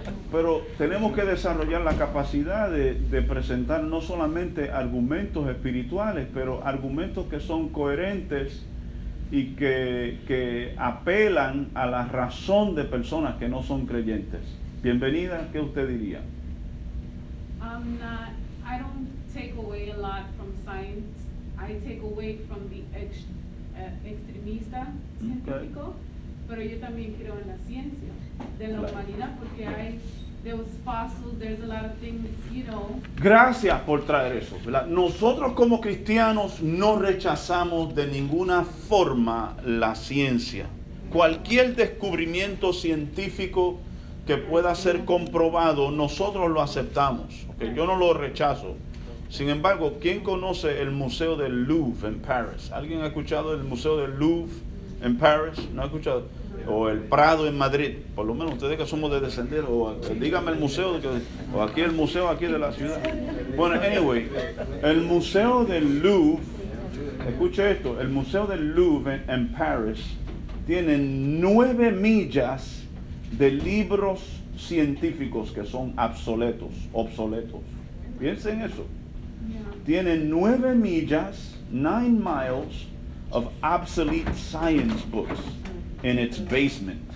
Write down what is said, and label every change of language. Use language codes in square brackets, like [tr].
[es] Pero tenemos que desarrollar la capacidad de presentar no solamente argumentos espirituales, pero argumentos que son coherentes y que apelan a la razón de personas que no son creyentes. Bienvenida, ¿qué usted diría? [en] I don't take away a lot from science. I take away from the [es] extremista científico, pero yo también creo en la ciencia de la humanidad, porque hay los fósiles, [en] there's a lot of things, you know. [es] Gracias por traer eso, ¿verdad? Nosotros como cristianos no rechazamos de ninguna forma la ciencia. Cualquier descubrimiento científico que pueda ser comprobado, nosotros lo aceptamos, ¿okay? Yo no lo rechazo. Sin embargo, ¿quién conoce el Museo del Louvre en París? ¿Alguien ha escuchado el Museo del Louvre en París? ¿No ha escuchado? O el Prado en Madrid. Por lo menos ustedes que somos de descender, o díganme el museo, o aquí el museo aquí de la ciudad. Bueno, anyway, el Museo del Louvre, escuche esto, el Museo del Louvre en París tiene 9 millas de libros científicos que son obsoletos. Piensen en eso. Tiene 9 millas, [en] 9 miles of obsolete science books in its basement.